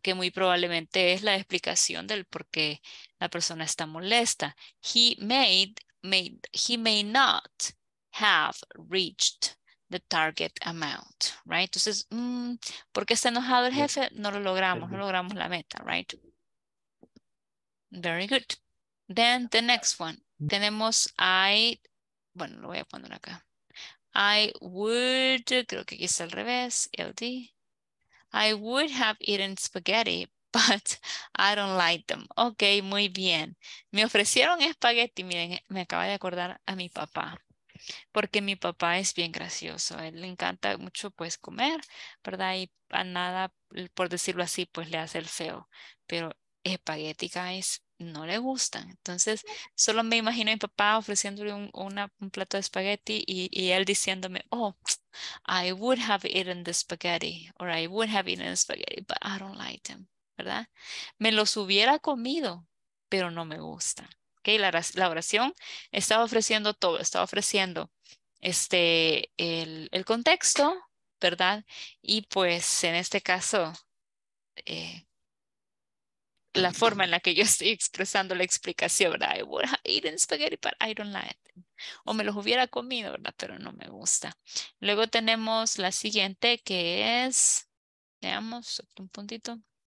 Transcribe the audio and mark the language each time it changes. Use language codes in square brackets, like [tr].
[es] Que muy probablemente es la explicación del por qué la persona está molesta. [en] He may not have reached the target amount, right? [es] Entonces, ¿por qué está enojado el jefe? No lo logramos, no logramos la meta, [en] right? Very good. Then the next one. [es] Tenemos lo voy a poner acá. [en] I would, [es] creo que aquí está al revés, LD. [en] I would have eaten spaghetti, but I don't like them. [es] Okay, muy bien. Me ofrecieron espagueti, miren, me acaba de acordar a mi papá. Porque mi papá es bien gracioso, él le encanta mucho pues comer, ¿verdad? Y a nada, por decirlo así, pues le hace el feo, pero espagueti, guys, no le gustan. Entonces, solo me imagino a mi papá ofreciéndole un plato de espagueti y él diciéndome, oh, [en] I would have eaten the spaghetti, or I would have eaten the spaghetti, but I don't like them, [es] ¿verdad? Me los hubiera comido, pero no me gustan. Okay, la oración estaba ofreciendo todo, estaba ofreciendo el contexto, ¿verdad? Y pues en este caso, la forma en la que yo estoy expresando la explicación, ¿verdad? [en] I would have eaten spaghetti, but I don't like it. [es] O me los hubiera comido, ¿verdad? Pero no me gusta. Luego tenemos la siguiente que es, veamos, un puntito.